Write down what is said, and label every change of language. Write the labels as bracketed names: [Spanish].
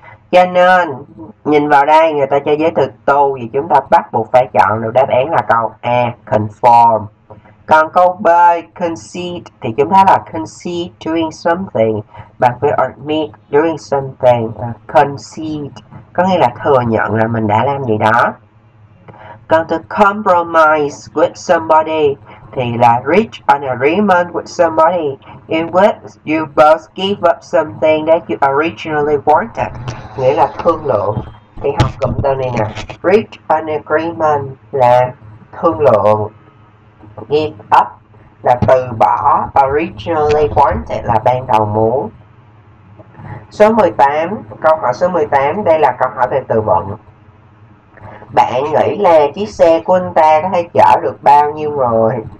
[Vietnamese] Cho nên, nhìn vào đây người ta cho giới thiệu tu thì chúng ta bắt buộc phải chọn được đáp án là câu A, conform. Còn câu B, concede, thì chúng ta là [English] concede doing something. [Vietnamese] Bạn phải [English] admit doing something, [Vietnamese] concede, có nghĩa là thừa nhận là mình đã làm gì đó. Còn [English] to compromise with somebody, [Vietnamese] thì là [English] reach an agreement with somebody in which you both give up something that you originally wanted. [Vietnamese] Nghĩa là thương lượng. Thì học cụm từ này nè. [English] Reach an agreement [Vietnamese] là thương lượng. [English] Give up [Vietnamese] là từ bỏ. [English] Originally wanted [Vietnamese] là ban đầu muốn. Số 18. Câu hỏi số 18. Đây là câu hỏi về từ vựng. Bạn nghĩ là chiếc xe của anh ta có thể chở được bao nhiêu người?